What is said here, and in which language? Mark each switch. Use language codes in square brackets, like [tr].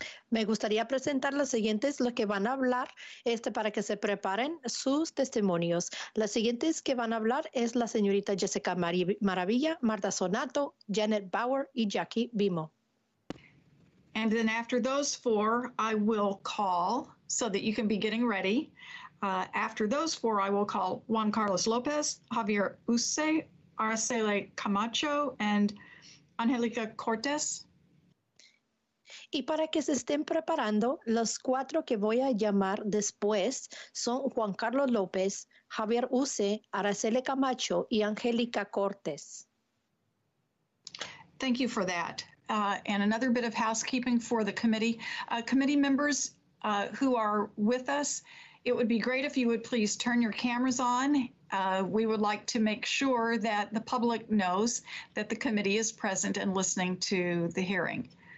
[es] Me gustaría presentar los siguientes, los que van a hablar, para que se preparen sus testimonios. Las siguientes que van a hablar es la señorita Jessica Maravilla, Martha Sonato, Janet Bauer, y Jackie Vimo. [en] And then after those four, I will call so that you can be getting ready. After those four, I will call Juan Carlos Lopez, Javier Usse, Araceli Camacho, and Angelica Cortes. [es] Y para que se estén preparando, los cuatro que voy a llamar después son Juan Carlos López, Javier Usse, Araceli Camacho, y Angélica Cortés. [en] Thank you for that. And another bit of housekeeping for the committee. Committee members who are with us, it would be great if you would please turn your cameras on. We would like to make sure that the public knows that the committee is present and listening to the hearing.